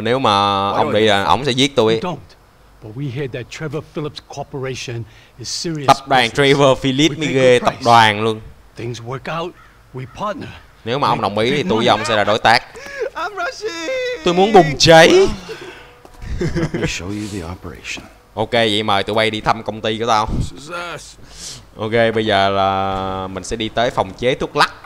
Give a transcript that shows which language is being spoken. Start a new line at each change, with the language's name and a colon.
Vietnamese: Nếu mà ông đi là ông sẽ giết tôi.
English: But we hear that Trevor Phillips Corporation is serious.
Vietnamese: Tập đoàn Trevor Phillips mới ghê, tập đoàn luôn.
English: Things work out, we partner.
Vietnamese: Nếu mà ông đồng ý thì tôi và ông sẽ là đối tác.
English: I'm rushing.
Vietnamese: Tôi muốn bùng cháy.
English: Show you the operation.
Vietnamese: Ok, vậy mời tụi bay đi thăm công ty của tao. Ok, bây giờ là mình sẽ đi tới phòng chế thuốc lắc.